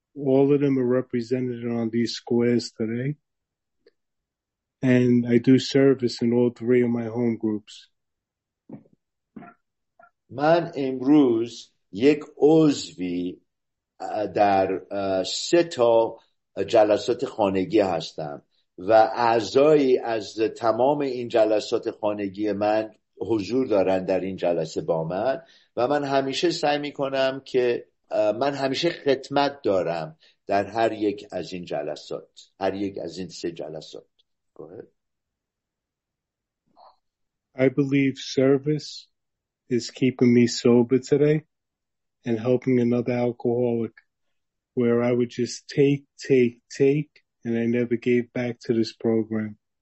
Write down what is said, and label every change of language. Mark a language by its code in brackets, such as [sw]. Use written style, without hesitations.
[en] All of them are represented on these squares today. And I do service in all 3 of my home groups. [fa] من امروز یک عضوی در 3 تا جلسات خانگی هستم و اعضایی از تمام این جلسات خانگی من حضور دارن در این جلسه با من و من همیشه سعی می کنم که من همیشه خدمت دارم در هر یک از این جلسات، هر یک از این 3 جلسات. [en] Go ahead. I believe service is keeping me sober today and helping another alcoholic, where I would just take, take, take, and I never gave back to this program.